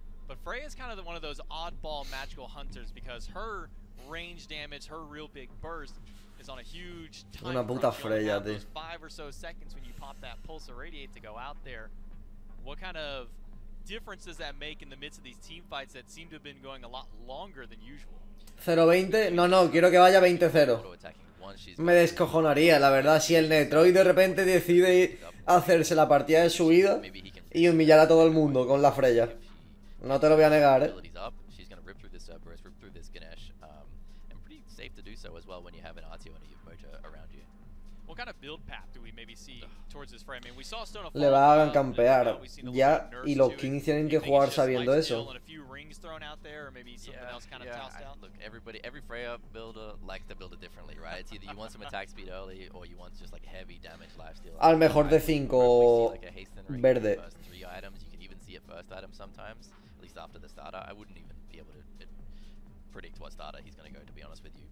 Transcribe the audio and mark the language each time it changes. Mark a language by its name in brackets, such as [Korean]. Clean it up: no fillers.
[English] But Freya is kind of one of those oddball magical hunters because her range damage, her real big burst, is on a huge time. [Spanish] Una puta Freya, dude. [English] 5 or so seconds when you pop that pulse or radiate to go out there. What kind of difference does that make in the midst of these team fights that seem to have been going a lot longer than usual? [Spanish] 0-20? No, no, quiero que vaya 20-0. Me descojonaría, la verdad, si el Netroid de repente decide hacerse la partida de su vida y humillar a todo el mundo con la Freya. No te lo voy a negar, ¿eh? [English] She's gonna rip through this Cerberus, rip through this Ganesh. And pretty safe to do so as well when you have an Arteo and a Yuvmoja around you. What kind of build path do we maybe see towards this frame? I mean, we saw Stone of [Spanish] Fall. Le va a campear. Ya, y los Kings tienen que jugar sabiendo eso. [English] And a few rings thrown out there, or maybe something else kind of tossed out. Look, everybody, every Freya builder likes to build it differently, right? It's either you want some attack speed early, or you want just like heavy damage lifesteal. [Spanish] Al mejor de 5, verde. [English] You can even see a first item sometimes. At least after the starter, I wouldn't even be able to predict what starter he's going to go, to be honest with you.